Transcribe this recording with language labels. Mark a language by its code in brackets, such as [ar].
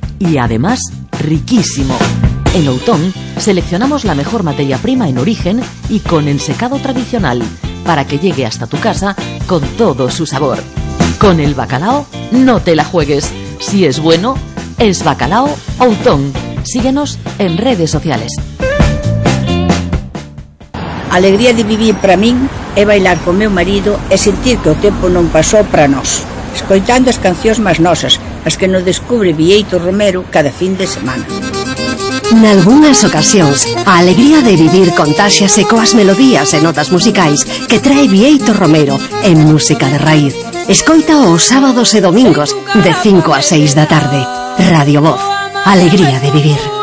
[es] Y además, riquísimo. En Outón seleccionamos la mejor materia prima en origen y con el secado tradicional para que llegue hasta tu casa con todo su sabor. Con el bacalao no te la juegues. Si es bueno, es bacalao Outón. Síguenos en redes sociales. [gl] Alegría de vivir para min é bailar con meu marido e sentir que o tempo non pasou para nós. Escoitando as cancións máis nosas, as que nos descubre Vieito Romero cada fin de semana. Nalgúnas ocasións, a alegría de vivir contáxase coas melodías e notas musicais que trae Vieito Romero en Música de Raíz. Escoita os sábados e domingos de 5 a 6 da tarde. Radio Voz, alegría de vivir.